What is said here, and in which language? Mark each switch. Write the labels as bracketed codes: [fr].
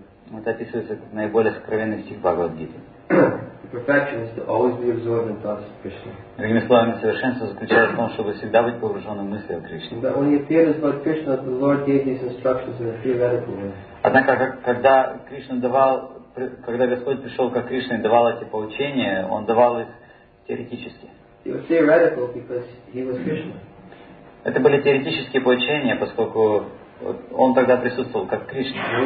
[ru] Это описывается как наиболее сокровенный стих Бхагавад-гиты. [en] Perfection is to always be absorbed in thoughts of Krishna. [ru] Другими словами, совершенство заключается в том, чтобы всегда быть погруженным в мысли о Кришне. [en] But when he appeared as Lord Krishna, the Lord gave these instructions in a theoretical way. [ru] Однако, когда Кришна давал, когда Господь пришел как Кришна и давал эти поучения, он давал их теоретически. [en] They were theoretical because he was Krishna. [ru] Это были теоретические поучения, поскольку он тогда присутствовал как Кришна.